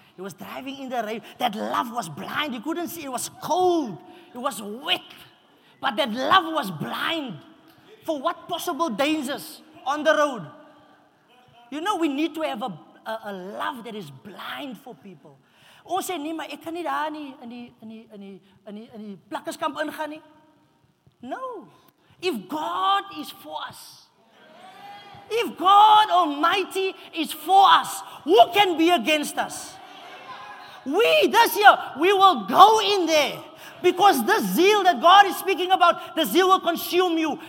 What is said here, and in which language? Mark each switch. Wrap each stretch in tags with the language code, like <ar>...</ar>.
<en>He was driving in the rain. That love was blind. He couldn't see. It was cold. It was wet. But that love was blind for what possible dangers on the road. You know, we need to have a love that is blind for people.</en> <af>Oh, say Nima, ek kan nie daar nie in die plakkies kamp ingaan nie.</af> <en>No. If God is for us, if God Almighty is for us, who can be against us? We, this year, we will go in there because this zeal that God is speaking about, the zeal will consume you.</en>